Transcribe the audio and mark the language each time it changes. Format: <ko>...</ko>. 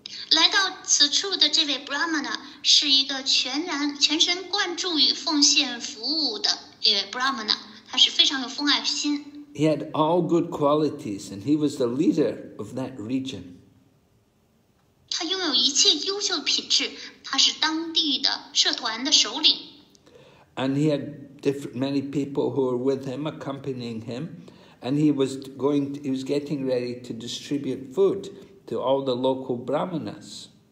<zh>来到此处的这位 Brahmana 是一个全身贯注于奉献服务的一位 Brahmana, 他是非常有奉爱心.</zh> <en>He had all good qualities and he was the leader of that region.</en> <zh>他拥有一切优秀品质，他是当地的社团的首领。</zh> <en>And he had many people who were with him, accompanying him, and he was getting ready to distribute food to all the local brahmanas.</en>